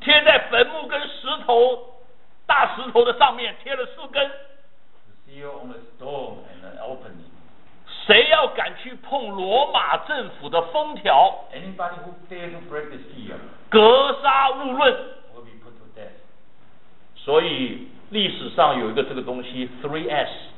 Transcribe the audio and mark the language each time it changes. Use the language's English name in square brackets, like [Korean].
[Chinese] 贴在坟墓跟石头，大石头的上面贴了四根。 [English] The seal on the stone and the opening. [Chinese] 谁要敢去碰罗马政府的封条 [English] ？Anybody who dare to break the seal， [Chinese] 格杀勿论。 [English] Will be put to death。 [Chinese] 所以历史上有一个这个东西 3S。